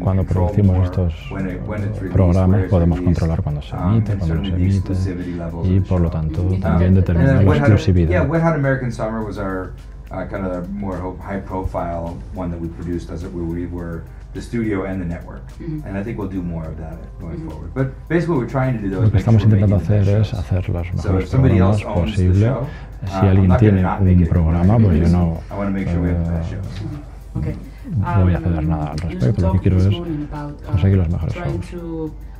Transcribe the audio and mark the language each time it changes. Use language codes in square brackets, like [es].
[es] Cuando producimos estos programas, podemos controlar cuando se emite, cuando no se emite, y por lo tanto también determina la exclusividad. [en] Yeah, Wet Hot American Summer was our kind of the more high profile one that we produced, as we were the studio and the network, mm-hmm. and I think we'll do more of that going mm-hmm. forward. But basically, what we're trying to do though, [es] lo que estamos intentando hacer es hacer los mejores programas posible. Si alguien tiene un programa, pues yo no voy a hacer nada al respecto. Lo que quiero es conseguir los mejores shows.